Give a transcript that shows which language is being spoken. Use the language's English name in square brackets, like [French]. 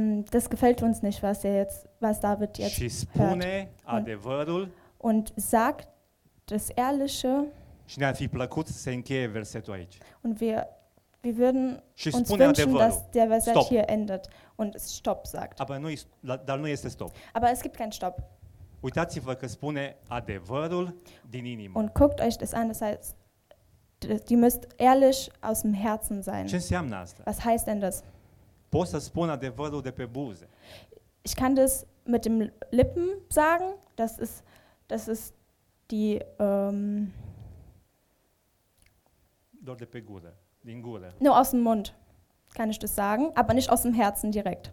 [German] Das gefällt uns nicht, was er jetzt, was David jetzt [Romanian] și spune adevărul [German] und sagt das ehrliche. [Romanian] Și ne-ar fi plăcut să se încheie versetul aici. [German] Und wir würden uns wünschen, dass der Verset hier endet und es stopp sagt. [Romanian] Aber nu, dar nu este stop. [German] Aber es gibt keinen Stopp. [Romanian] Uitați-vă că spune adevărul din inimă. [German] Und guckt euch das an, das heißt, die müsst ehrlich aus dem Herzen sein. [Romanian] Ce înseamnă asta? [German] Was heißt denn das? [Romanian] Pot să spun adevărul de pe buze. [German] Ich kann das mit dem Lippen sagen, das ist die [Romanian] doar de pe gură. Din gură. [German] Nur aus dem Mund kann ich das sagen, aber nicht aus dem Herzen direkt.